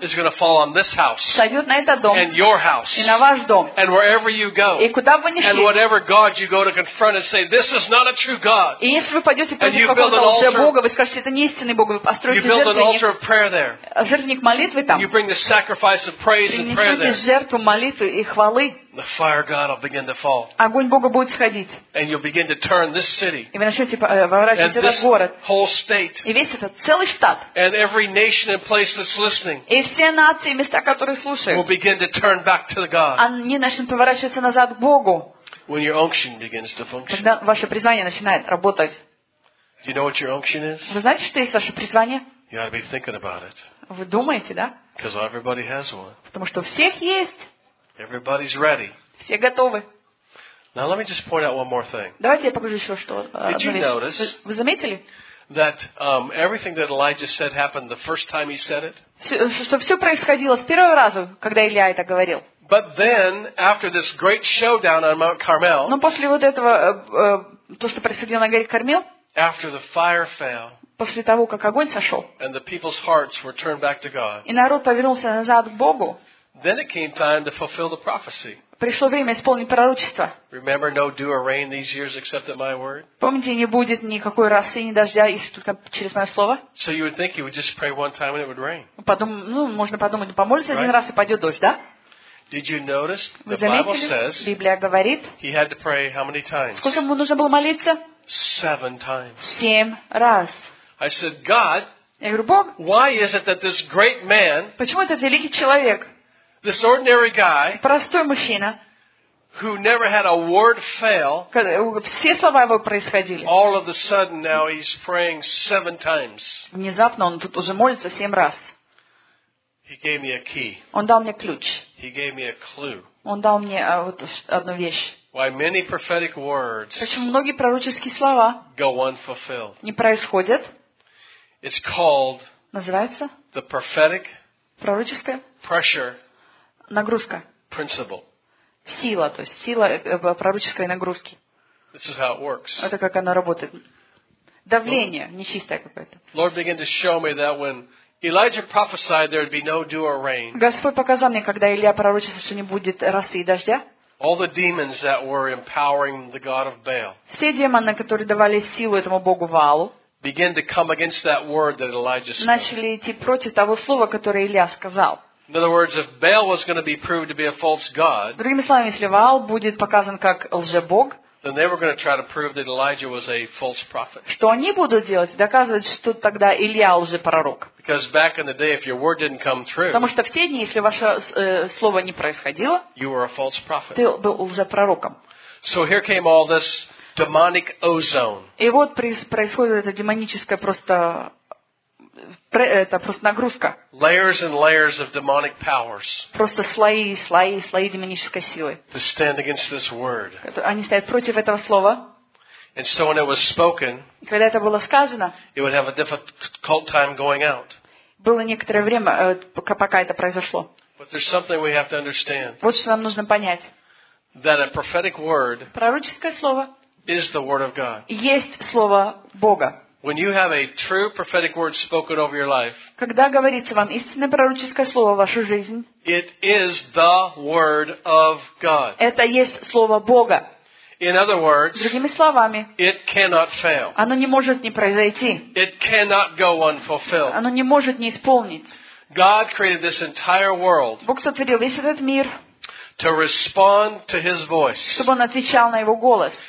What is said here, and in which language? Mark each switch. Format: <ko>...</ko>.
<en>Is going to fall on this house.</en> <ru>Сойдет на этот дом.</ru> <en>And your house.</en> <ru>И на ваш дом.</ru> <en>And wherever you go.</en> <ru>И куда бы вы ни шли.</ru> <en>And whatever God you go to confront and say, this is not a true God.</en> <ru>И если вы пойдете против какого-то лжебога, вы скажете, это не истинный Бог, вы построите жертвенник.</ru> <en>You build an altar of prayer there.</en> <ru>Жертвенник молитвы там.</ru> <en>You bring the sacrifice of praise and prayer there.</en> <ru>Принесете жертву молитвы и хвалы.</ru> <en>The fire of God will begin to fall.</en> <ru>Огонь Бога будет сходить.</ru> <en>And you'll begin to turn this city.</en> <ru>И вы начнете поворачивать этот город.</ru> <en>Whole state.</en> <ru>И весь этот целый штат.</ru> <en>And every nation and place that's listening.</en> <ru>И все нации, места, которые слушают.</ru> <en>Will begin to turn back to the God.</en> <ru>Они начнут поворачиваться назад к Богу.</ru> <en>When your unction begins to function.</en> <ru>Когда ваше призвание начинает работать.</ru> <en>Do you know what your unction is?</en> <ru>Вы знаете, что есть ваше призвание?</ru> <en>You ought to be thinking about it.</en> <ru>Вы думаете, да?</ru> <en>Because everybody has one.</en> <ru>Потому что у всех есть.</ru> <en>Everybody's ready.</en> <ru>Все готовы.</ru> <en>Now let me just point out one more thing.</en> <ru>Давайте я покажу еще что.</ru> <en>Did you notice?</en> <ru>Вы заметили?</ru> <en>That everything that Elijah said happened the first time he said it.</en> <ru>Что все происходило с первого раза, когда Илья это говорил.</ru> <en>But then, after this great showdown on Mount Carmel.</en> <ru>Но после вот этого то, что происходило на горе Кармел.</ru> <en>After the fire fell.</en> <ru>После того, как огонь сошел.</ru> <en>And the people's hearts were turned back to God.</en> <ru>И народ повернулся назад к Богу.</ru> <en>Then it came time to fulfill the prophecy.</en> <ru>Пришло время исполнить пророчество.</ru> <en>Remember, no dew or rain these years except at my word.</en> <ru>Помните, не будет никакой росы, ни дождя, если только через мое слово.</ru> <en>So you would think you would just pray one time and it would rain.</en> <ru>Потом, ну, можно подумать, помолиться один раз и пойдет дождь, да?</ru> <en>Did you notice the Bible says?</en> <ru>Библия говорит.</ru> <en>He had to pray how many times?</en> <ru>Сколько ему нужно было молиться?</ru> <en>Seven times.</en> <ru>Семь раз.</ru> <en>I said, God.</en> <ru>Я говорю, Бог.</ru> <en>Why is it that this great man?</en> <ru>Почему этот великий человек?</ru> <en>This ordinary guy,</en> <ru>простой мужчина,</ru> <en>who never had a word fail,</en> <ru>все слова его происходили.</ru> <en>All of a sudden, now he's praying seven times.</en> <ru>Внезапно он тут уже молится семь раз.</ru> <en>He gave me a key.</en> <ru>Он дал мне ключ.</ru> <en>He gave me a clue.</en> <ru>Он дал мне вот одну вещь.</ru> <en>Why many prophetic words?</en> <ru>Почему многие пророческие слова</ru> <en>go unfulfilled?</en> <ru>Не происходят.</ru> <en>It's called.</en> <ru>Называется?</ru> <en>The prophetic.</en> <ru>Пророческое.</ru> <en>Pressure.</en> <ru>Нагрузка.</ru> <en>Principle.</en> <ru>Сила, то есть сила пророческой нагрузки.</ru> <en>This is how it works.</en> <ru>Это как оно работает. Давление, нечистое какое-то.</ru> <en>Lord began to show me that when Elijah prophesied there would be no dew or rain.</en> <ru>Господь показал мне, когда Илия пророчествовал, что не будет росы и дождя.</ru> <en>All the demons that were empowering the god of Baal.</en> <ru>Все демоны, которые давали силу этому богу Ваалу.</ru> <en>Began to come against that word that Elijah said.</en> <ru>Начали идти против того слова, которое Илия сказал.</ru> <en>In other words, if Baal was going to be proved to be a false god,</en> <ru>другими словами, если Ваал будет показан как лжебог,</ru> <en>then they were going to try to prove that Elijah was a false prophet.</en> <ru>Что они будут делать? Доказывать, что тогда Илия лжепророк.</ru> <en>Because back in the day, if your word didn't come true,</en> <ru>потому что в те дни, если ваше слово не происходило,</ru> <en>you were a false prophet.</en> <ru>Ты был лжепророком.</ru> <en>So here came all this demonic ozone.</en> <ru>И вот происходит это демоническое просто. Это просто нагрузка.</ru> <en>Layers and layers of demonic powers.</en> <ru>Просто слои, слои, слои демонической силы.</ru> <en>To stand against this word.</en> <ru>Они стоят против этого слова.</ru> <en>And so when it was spoken,</en> <ru>когда это было сказано,</ru> <en>it would have a difficult time going out.</en> <ru>Было некоторое время, пока это произошло.</ru> <en>But there's something we have to understand.</en> <ru>Вот что нам нужно понять.</ru> <en>That a prophetic word,</en> <ru>пророческое слово,</ru> <en>is the word of God.</en> <ru>Есть слово Бога.</ru> <en>When you have a true prophetic word spoken over your life,</en> <ru>когда говорится вам истинное пророческое слово в вашу жизнь,</ru> <en>it is the word of God.</en> <ru>Это есть слово Бога.</ru> <en>In other words,</en> <ru>другими словами,</ru> <en>it cannot fail.</en> <ru>Оно не может не произойти.</ru> <en>It cannot go unfulfilled.</en> <ru>Оно не может не исполнить.</ru> <en>God created this entire world.</en> <ru>Бог сотворил весь этот мир.</ru> <en>To respond to His voice.</en> <ru>Чтобы он отвечал на его голос.</ru>